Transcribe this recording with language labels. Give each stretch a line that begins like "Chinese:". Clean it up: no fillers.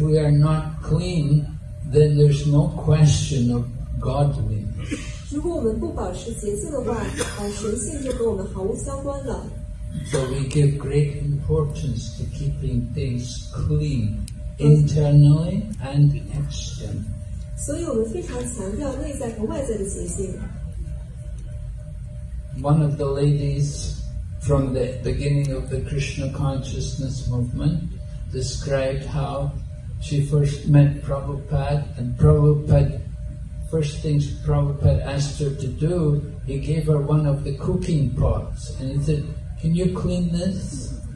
English: we are not clean, then there's no question of godliness.
Chinese: 如果我们不保持洁净的话，神性就跟我们毫无相关了。
English: So we give great importance to keeping things clean, internally and externally.
Chinese: 所以我们非常强调内在和外在的洁净。
English: One of the ladies from the beginning of the Krishna consciousness movement described how she first met Prabhupada, and First things Prabhupada asked her to do, he gave her one of the cooking pots, and he said, "Can you clean this?"